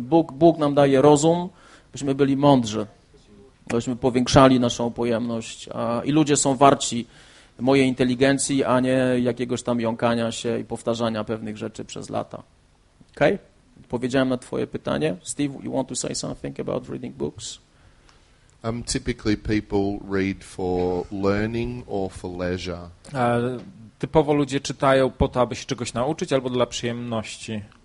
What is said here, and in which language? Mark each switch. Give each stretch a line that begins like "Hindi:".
Polish: Bóg nam daje rozum, byśmy byli mądrzy, byśmy powiększali naszą pojemność. I ludzie są warci mojej inteligencji, a nie jakiegoś tam jąkania się i powtarzania pewnych rzeczy przez lata. Okay? Odpowiedziałem na twoje pytanie.
English: Steve, you want to say something about reading books? Typically people read for learning or for leisure.
Polish: Typowo ludzie czytają po to, aby się czegoś nauczyć albo dla przyjemności.